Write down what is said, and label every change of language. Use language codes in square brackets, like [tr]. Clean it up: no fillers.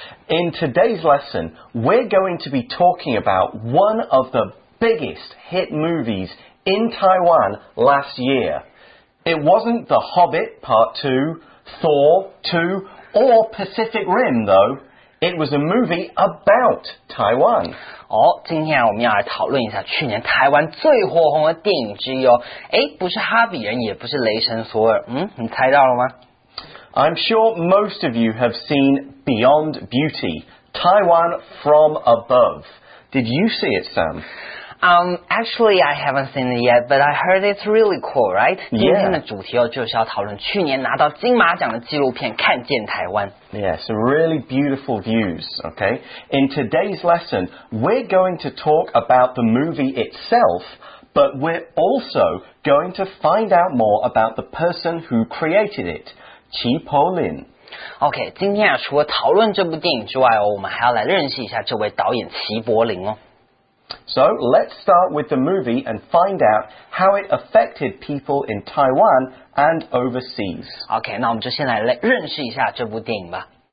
[en] In today's lesson, we're going to be talking about one of the biggest hit movies in Taiwan last year. It wasn't The Hobbit Part 2, Thor 2, or Pacific Rim though. It was a movie about Taiwan. [zh] 哦，今天我们要来讨论一下去年台湾最火红的电影之一哦。诶，不是哈比人，也不是雷神索尔。嗯，你猜到了吗？ [en] I'm sure most of you have seen Beyond Beauty, Taiwan from Above. Did you see it, Sam? Actually, I haven't seen it yet, but I heard it's really cool, right? Yeah. [zh] 今天的主题就是要讨论去年拿到金马奖的纪录片《看见台湾》。 [en] Yeah, some really beautiful views, okay? In today's lesson, we're going to talk about the movie itself, but we're also going to find out more about the person who created it. [zh] 齐柏林。 OK, 今天啊，除了讨论这部电影之外哦，我们还要来认识一下这位导演齐柏林哦。 [en] So, let's start with the movie and find out how it affected people in Taiwan and overseas. [zh] OK, 那我们就先来认识一下这部电影吧。